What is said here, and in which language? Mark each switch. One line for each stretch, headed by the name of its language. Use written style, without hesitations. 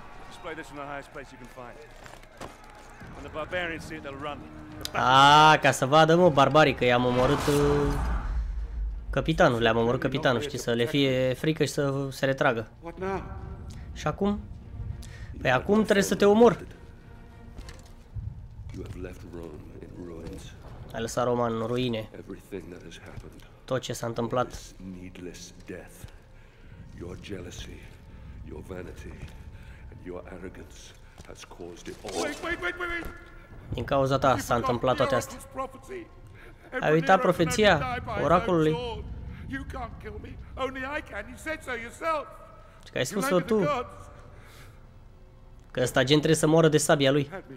English: Spray this in the highest place you can find. When the barbarians see it, they'll run.
Romanian: Aaa, ca să vadă, mă, barbarii, că i-am omorât capitanul, le-am omorât capitanul, știi, să le fie frică și să se retragă. Și acum? Păi acum trebuie să te omor. Ai lăsat Roma în ruine. Tot ce s-a întâmplat.
English: Your jealousy, your vanity, and your arrogance has caused it all. Wait.
Romanian: Din cauza ta s-a întâmplat toate astea. Ai uitat profeția oracolului? Că ai spus-o tu. Că ăsta gen trebuie să moară de sabia lui.